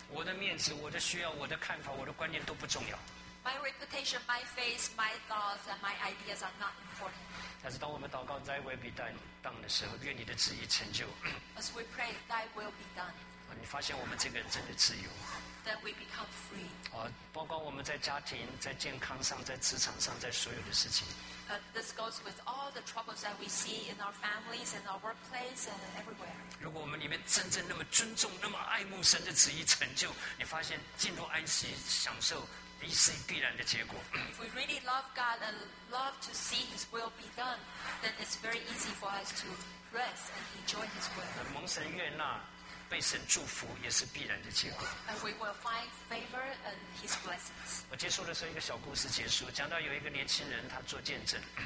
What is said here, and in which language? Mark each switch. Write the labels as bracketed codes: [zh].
[zh] 我的面子，我的需要，我的看法，我的观念都不重要。 [en] My reputation, my face, my thoughts, and my ideas are not important. [zh] 但是当我们祷告 [en] Thy will be done [zh] 的时候，愿你的旨意成就。 [en] As we pray, Thy will be done. [zh] 你发现我们这个人真的自由。 [en] that we become free. [zh] 哦，包括我们在家庭、在健康上、在职场上、在所有的事情。 [en] This goes with all the troubles that we see in our families and our workplace and everywhere. [zh] 如果我们里面真正那么尊重、那么爱慕神的旨意成就，你发现进入安息、享受。一是必然的结果。 [en] If we really love God and love to see His will be done, then it's very easy for us to rest and enjoy His will. [zh] 蒙神悦纳，被神祝福也是必然的结果。 [en] And we will find favor and His blessings. [zh] 我结束的时候，一个小故事结束，讲到有一个年轻人，他做见证。